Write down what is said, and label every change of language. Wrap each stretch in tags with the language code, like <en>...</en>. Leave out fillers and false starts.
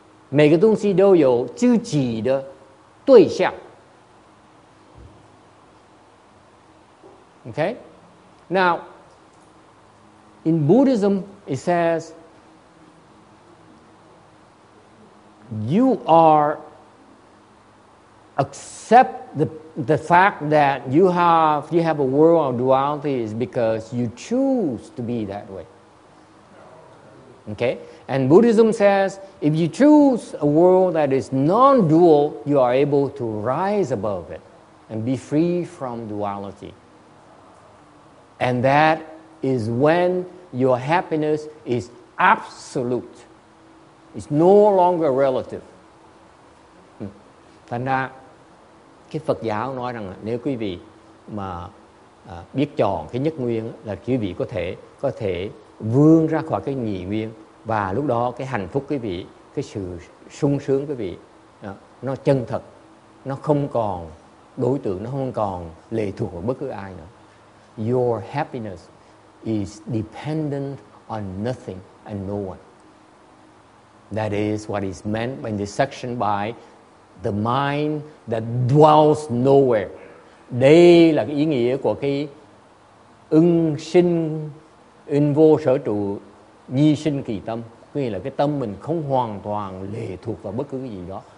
<vi>Mỗi cái đồng chí đều có chữ chỉ đề đối tượng.</vi> <en>Ok. Now, in Buddhism, it says, you are accept the fact that you have a world of duality is because you choose to be that way. Okay? And Buddhism says if you choose a world that is non-dual, you are able to rise above it and be free from duality. And that is when your happiness is absolute. It's no longer relative.</en> <vi>Thành ra, cái Phật giáo nói rằng là nếu quý vị mà biết chọn cái nhất nguyên là quý vị có thể vươn ra khỏi cái nhị nguyên và lúc đó cái hạnh phúc quý vị, cái sự sung sướng quý vị nó chân thật, nó không còn đối tượng, nó không còn lệ thuộc bất cứ ai nữa.</vi> <en>Your happiness is dependent on nothing and no one. That is what is meant in this section by the mind that dwells nowhere.</en> <vi>Đây là cái ý nghĩa của cái ưng sinh, ưng vô sở trụ, nhi sinh kỳ tâm. Nghĩa là cái tâm mình không hoàn toàn lệ thuộc vào bất cứ cái gì đó.</vi>